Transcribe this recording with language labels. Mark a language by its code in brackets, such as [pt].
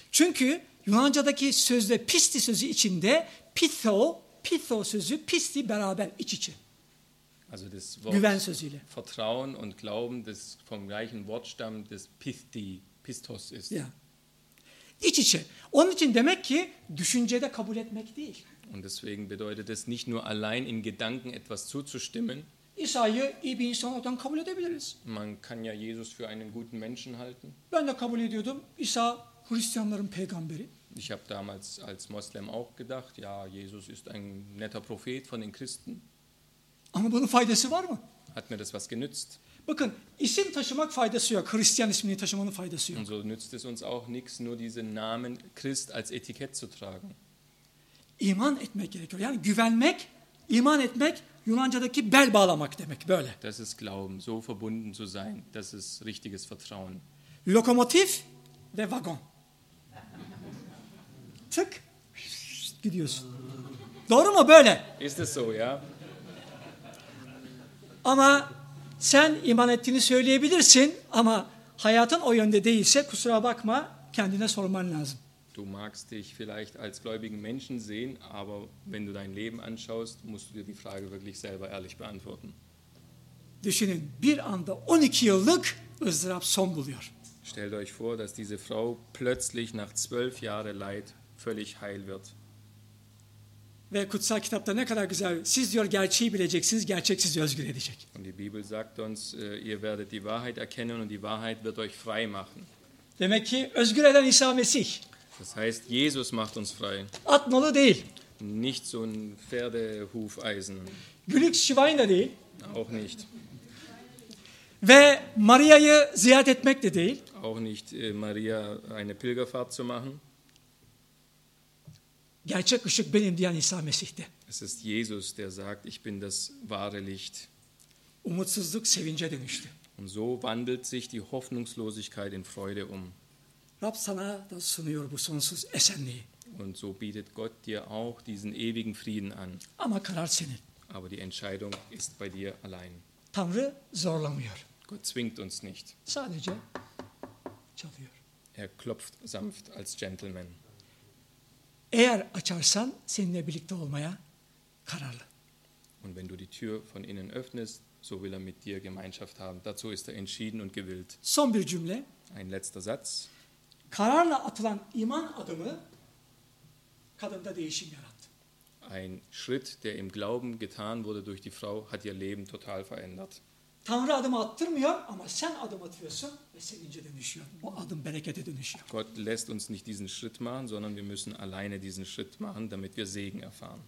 [tr] Çünkü Yunanca'daki sözde pisti sözü içinde pitho sözü pisti beraber iç içe. [de] Also das Wort [tr] Güven sözüyle. [de] Vertrauen und Glauben, das vom gleichen Wortstamm des pisti, pistos ist. [tr] Ja. İç içe. Onun için demek ki düşüncede kabul etmek değil. [de] Und deswegen bedeutet es nicht nur allein in Gedanken etwas zuzustimmen. [tr] İsa'yı iyi bir insan olarak kabul edebiliriz. [de] Man kann ja Jesus für einen guten Menschen halten. [tr] Ben de kabul ediyordum. İsa Hristiyanların peygamberi. [de] Ich habe damals als Moslem auch gedacht, ja, Jesus ist ein netter Prophet von den Christen. [tr] Ama bunun faydası var mı? [de] Hat mir das was genützt? [tr] Bakın, isim taşımak faydası yok. Hristiyan ismini taşımanın faydası yok. [de] Und so nützt es uns auch nichts, nur diesen Namen Christ als Etikett zu tragen. [tr] İman etmek gerekiyor. Yani güvenmek, iman etmek, Yunanca'daki bel bağlamak demek, böyle. [de] Das ist Glauben, so verbunden zu sein. Das ist richtiges Vertrauen. [tr] Lokomotif ve vagon. Tık, gidiyorsun. Doğru mu, böyle? [de] Ist es so, ja? [tr] Ama sen iman ettiğini söyleyebilirsin ama hayatın o yönde değilse kusura bakma kendine sorman lazım. [de] Du magst dich vielleicht als gläubigen Menschen sehen, aber wenn du dein Leben anschaust, musst du dir die Frage wirklich selber ehrlich beantworten. [tr] Düşünün, bir anda 12 yıllık ızdırap son buluyor. [de] Stellt euch vor, dass diese Frau plötzlich nach 12 Jahren Leid völlig heil wird. [tr] Ve kutsal kitapta ne kadar güzel. Siz diyor gerçeği bileceksiniz, gerçek sizi özgür edecek. [de] Und die Bibel sagt uns, ihr werdet die Wahrheit erkennen und die Wahrheit wird euch frei machen. [tr] Demek ki özgür eden İsa Mesih. [de] Das heißt, Jesus macht uns frei. [tr] Atmalı değil. [de] Nicht so ein Pferdehufeisen. [tr] Gülüks şivayın da değil. [de] Auch nicht. [tr] Ve Maria'yı ziyaret etmek de değil. [de] Auch nicht Maria eine Pilgerfahrt zu machen. [tr] Gerçek ışık benim diyen İsa Mesih'ti. [de] Es ist Jesus, der sagt, ich bin das wahre Licht. [tr] Umutsuzluk sevince dönüştü. [de] Und so wandelt sich die Hoffnungslosigkeit in Freude um. [tr] Rab sana da sunuyor bu sonsuz esenliği. [de] Und so bietet Gott dir auch diesen ewigen Frieden an. [tr] Ama karar senin. [de] Aber die Entscheidung ist bei dir allein. [tr] Tanrı zorlamıyor. [de] Gott zwingt uns nicht. [tr] Sadece çalıyor. [de] Er klopft sanft als gentleman. [tr] Eğer açarsan seninle birlikte olmaya kararlı. [de] Und wenn du die Tür von innen öffnest, so will er mit dir Gemeinschaft haben. Dazu ist er entschieden und gewillt. [tr] Son bir cümle. [de] Ein letzter Satz. [tr] Kararla atılan iman adımı kadında değişim yarattı. [de] Ein Schritt, der im Glauben getan wurde durch die Frau, hat ihr Leben total verändert. [tr] Tanrı adımı attırmıyor ama sen adım atıyorsun ve sevince dönüşüyor. O adım berekete dönüşüyor. [de] Gott lässt uns nicht diesen Schritt machen, sondern wir müssen alleine diesen Schritt machen, damit wir Segen erfahren.